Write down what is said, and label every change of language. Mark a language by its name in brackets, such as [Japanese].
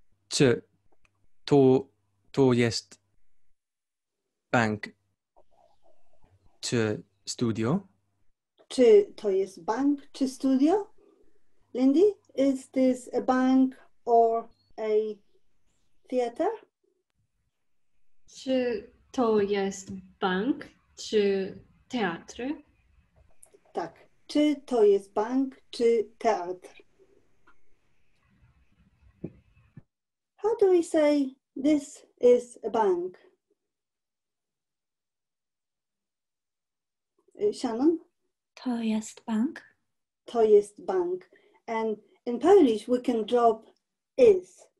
[Polish] Czy. To jest bank. Czy studio. Czy to jest bank. Czy studio. [English] Lindy, is this a bank or a theater? [Polish] Czy to jest bank czy teatr? Tak. Czy to jest bank czy teatr? [English] How do we say this is a bank? Shannon? [Polish] To jest bank. To jest bank. [English] And in Polish we can drop is.